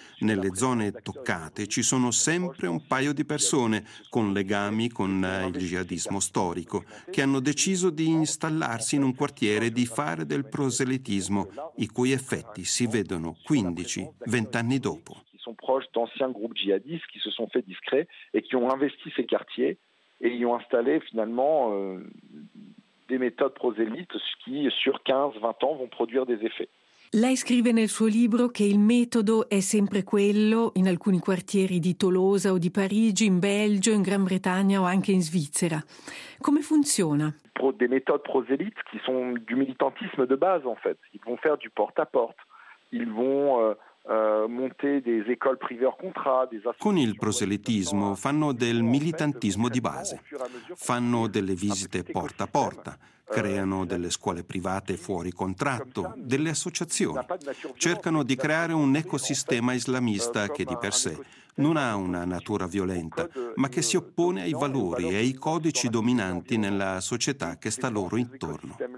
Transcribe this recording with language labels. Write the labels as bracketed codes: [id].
[it] Nelle zone toccate ci sono sempre un paio di persone con legami con il jihadismo storico che hanno deciso di installarsi in un quartiere e di fare del proselitismo, i cui effetti si vedono 15-20 anni dopo. Sono [fr] proche d'anciens [it] gruppi jihadisti che si sono fatti discreti e che hanno investito [fr] ces [it] quartieri e li hanno installati finalmente. [fr] Des méthodes prosélytes qui, sur 15-20 ans, vont produire des effets. [it] Lei scrive nel suo libro che il metodo è sempre quello in alcuni quartieri di Tolosa o di Parigi, in Belgio, in Gran Bretagna o anche in Svizzera. Come funziona? [fr] Des méthodes prosélytes qui sont du militantisme de base, en fait. Ils vont faire du porte-à-porte. Ils vont monter des écoles privées hors contrat, des associations. [it] Con il proselitismo fanno del militantismo di base, fanno delle visite porta a porta, creano delle scuole private fuori contratto, delle associazioni, cercano di creare un ecosistema islamista che di per sé non ha una natura violenta, ma che si oppone ai valori e ai codici dominanti nella società che sta loro intorno.